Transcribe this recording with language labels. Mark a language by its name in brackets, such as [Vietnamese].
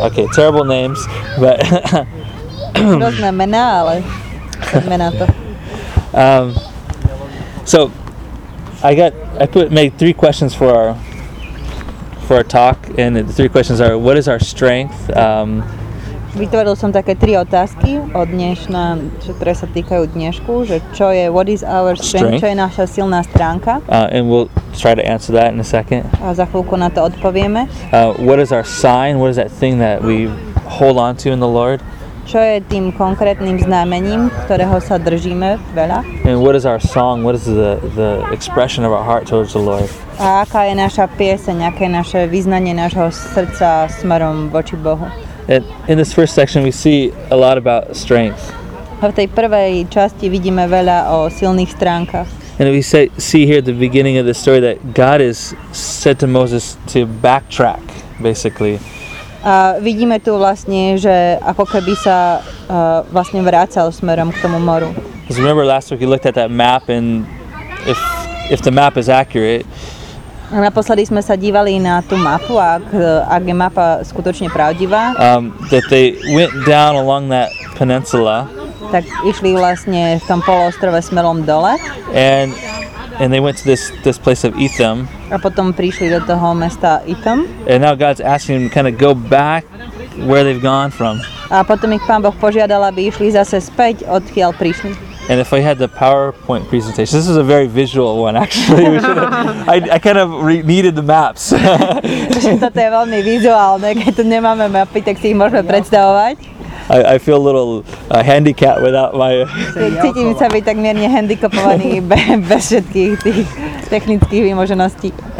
[English] Okay, terrible names, but so I made three questions for our talk, and the three questions are: what is our strength? [Slovak] Vytvoril som také tri otázky od dnešná, ktoré sa týkajú dnešku, že čo je, [English] what is our strength, [Slovak] čo je naša silná stránka. [English] And we'll try to answer that in a second. [Slovak] A za chvíľku na to odpovieme. [English] What is our sign, what is that thing that we hold on to in the Lord. [Slovak] Čo je tým konkrétnym znamením, ktorého sa držíme veľa. [English] And what is our song, what is the expression of our heart towards the Lord. [Slovak] A aká je naša pieseň, aké je naše vyznanie nášho srdca smerom voči Bohu. [English] In this first section we see a lot about strength. [Slovak] V tej prvej časti vidíme veľa o silných stránkach. [English] And we see here at the beginning of the story that God has said to Moses to backtrack, basically. [Slovak] A vidíme tu vlastne, že ako keby sa vlastne vracal smerom k tomu moru. [English] Because remember last week we looked at that map, and if the map is accurate, [Slovak] Naposledy sme sa dívali na tú mapu, ak je mapa skutočne pravdivá. [English] That they went down along that peninsula. [Slovak] Tak išli vlastne v tom poloostrove smerom dole. [English] And they went to this place of Etham. [Slovak] A potom prišli do toho mesta Etham. [English] And now God's asking them to kind of go back where they've gone from. [Slovak] A potom ich Pán Boh požiadal, aby išli zase späť, odkiaľ prišli. [English] And if I had the PowerPoint presentation, this is a very visual one, actually. I kind of needed the maps. [Slovak] Toto je veľmi vizuálne, keď tu nemáme mapy, tak si ich môžeme predstavovať. [English] I feel a little handicapped without my... [Slovak] Cítim sa byť tak mierne handicapovaný bez všetkých tých technických vymožeností.